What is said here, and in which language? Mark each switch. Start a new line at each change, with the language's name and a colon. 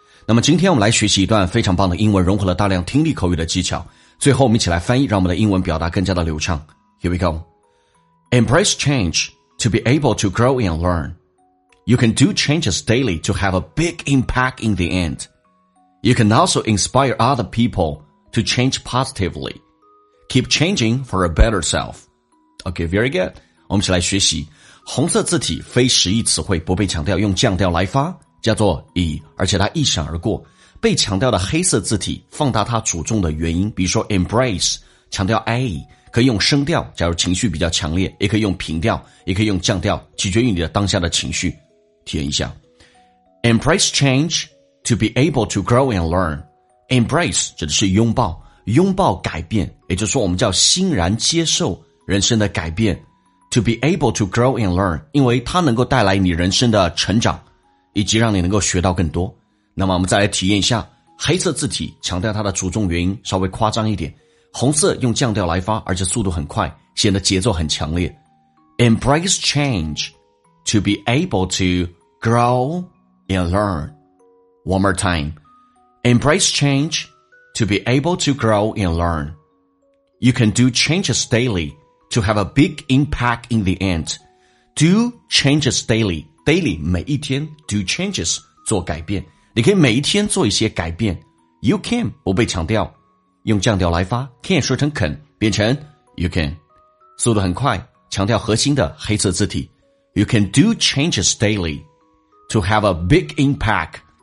Chinese: 那么今天我们来学习一段非常棒的英文，融合了大量听力口语的技巧，最后我们一起来翻译，让我们的英文表达更加的流畅。
English: Here we go. Embrace change to be able to grow and learn. You can do changes daily to have a big impact in the end. You can also inspire other people to change positively. Keep changing for a better selfOkay, very good.
Chinese: 我们一起来学习红色字体非实义词汇不被强调用降调来发叫做 E, 而且它一闪而过。被强调的黑色字体放大它主重的元音，比如说 embrace, 强调 A, 可以用升调，假如情绪比较强烈，也可以用平调，也可以用降调，取决于你的当下的情绪。体验一下。
English: Embrace change to be able to grow and learn.
Chinese: Embrace 指的是拥抱，拥抱改变，也就是说我们叫欣然接受人生的改变
English: To be able to grow and learn，
Chinese: 因为它能够带来你人生的成长，以及让你能够学到更多。那么我们再来体验一下，黑色字体强调它的主重元音稍微夸张一点，红色用降调来发，而且速度很快，显得节奏很强烈。
English: Embrace change to be able to grow and learn. One more time. Embrace change to be able to grow and learn. You can do changes dailyTo have a big impact in the end. Do changes daily. Daily,
Chinese: 每一天
English: do changes,
Chinese: 做改变。你可以每一天做一些改变。
English: You can,
Chinese: 不被强调。用降调来发 can 说成 can, 变成
English: you can.
Chinese: 速度很快强调核心的黑色字体。
English: You can do changes daily. To have a big impact.